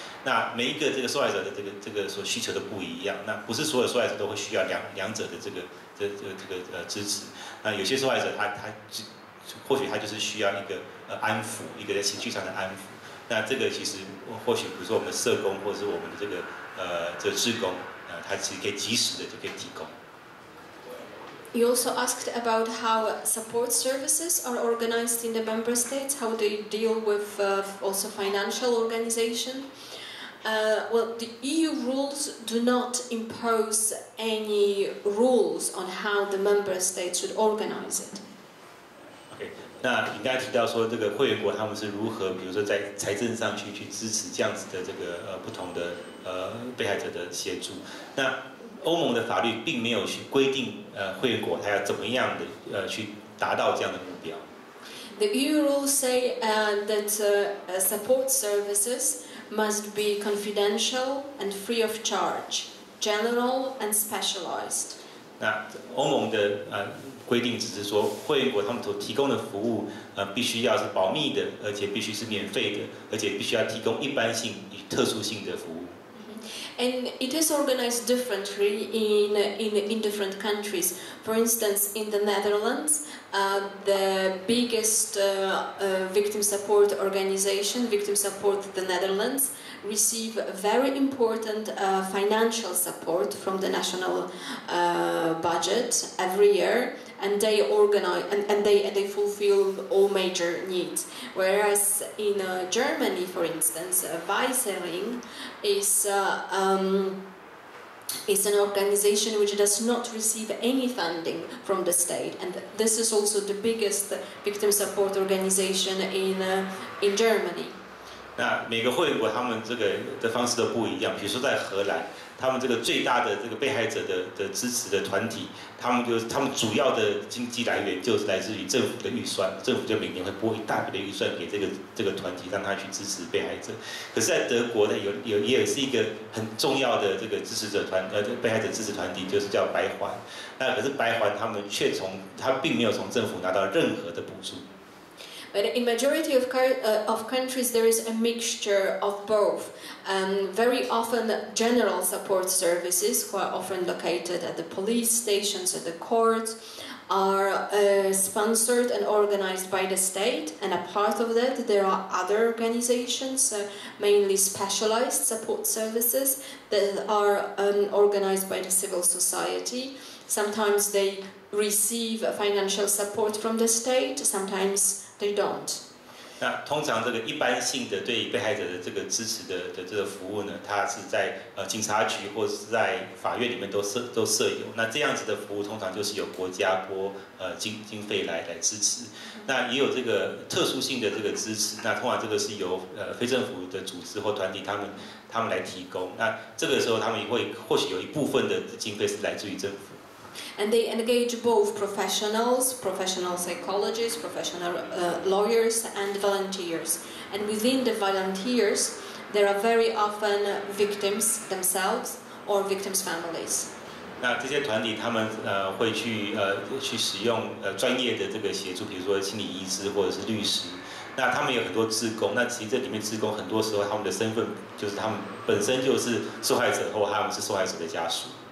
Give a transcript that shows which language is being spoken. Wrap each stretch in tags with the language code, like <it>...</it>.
<zh>那每一个这个受害者的这个所需求的不一样，那不是所有受害者都会需要两者的这个支持。那有些受害者他或许他就是需要一个安抚，一个在情绪上的安抚。那这个其实或许比如说我们社工或者是我们的这个志工他其实可以及时的就可以提供。</zh> <en>You also asked about how support services are organized in the member states, how they deal with also financial organization. Well, the EU rules do not impose any rules on how the member states should organize it.</en> <zh>Okay, 那你刚才提到说这个会员国他们是如何，比如说在财政上去支持这样子的这个不同的被害者的协助。那欧盟的法律并没有去规定会员国他要怎么样的去达到这样的目标。</zh> <en>The EU rules say support services. Must be confidential and free of charge, general and specialized.</en> <zh>那欧盟的规定只是说，会员国他们所提供的服务必须要是保密的，而且必须是免费的，而且必须要提供一般性与特殊性的服务。</zh> <en>And it is organized differently in different countries. For instance, in the Netherlands, the biggest victim support organization, Victim Support the Netherlands, receive very important financial support from the national budget every year, and they organize and they fulfill all major needs. Whereas in Germany, for instance, Weissering is an organization which does not receive any funding from the state, and this is also the biggest victim support organization in Germany.</en> <zh>那每个会员国他们这个的方式都不一样，比如说在荷兰，他们这个最大的这个被害者的支持的团体，他们主要的经济来源就是来自于政府的预算，政府就每年会拨一大笔的预算给这个团体，让他去支持被害者。可是，在德国呢，也是一个很重要的这个支持者团，被害者支持团体，就是叫白环。那可是白环他并没有从政府拿到任何的补助。</zh> <en>But in majority of countries, there is a mixture of both. Very often, general support services, who are often located at the police stations, at the courts, are sponsored and organized by the state. And a part of that, there are other organizations, mainly specialized support services, that are organized by the civil society. Sometimes they receive financial support from the state, sometimes. They don't.</en> <zh>那通常这个一般性的对被害者的这个支持的这个服务呢，它是在警察局或是在法院里面都设有。那这样子的服务通常就是由国家拨经费来支持。那也有这个特殊性的这个支持，那通常这个是由非政府的组织或团体他们来提供。那这个时候他们或许有一部分的经费是来自于政府。</zh> <en>And they engage both professionals, professional psychologists, professional lawyers, and volunteers. And within the volunteers, there are very often victims themselves or victims' families.</en> <zh>那这些团体他们会去使用专业的这个协助，比如说心理医师或者是律师。那他们有很多志工，那其实这里面志工很多时候他们的身份就是他们本身就是受害者或他们是受害者的家属。</zh>